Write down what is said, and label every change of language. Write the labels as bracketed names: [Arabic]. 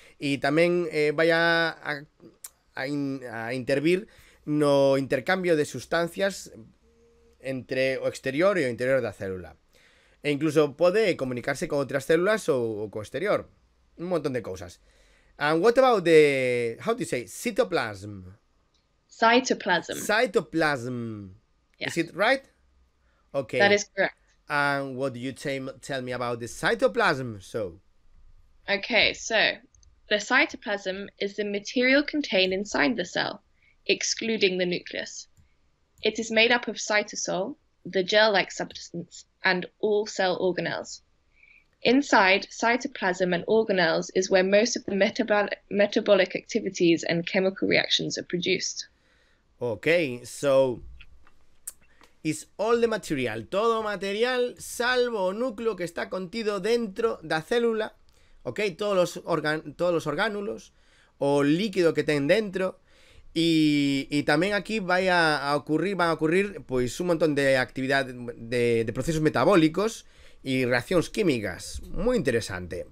[Spanish] Y también vaya a intervir no intercambio de sustancias entre o exterior y o interior de la célula. E incluso puede comunicarse con otras células o con exterior. Un montón de cosas. [English] And what about the, how do you say, cytoplasm? Cytoplasm. Yeah. Is it right? Okay. That is correct. And what do you tell me about the cytoplasm? So, okay, so the cytoplasm is the material contained inside the cell, excluding the nucleus. It is made up of cytosol, the gel-like substance, and all cell organelles. Inside cytoplasm and organelles is where most of the metabolic activities and chemical reactions are produced. Okay, so is all the material, [Spanish] todo material salvo núcleo que está contido dentro de la célula, okay, todos los orgánulos o líquido que tienen dentro, y también aquí van a ocurrir pues un montón de actividad de procesos metabólicos y reacciones químicas, muy interesante.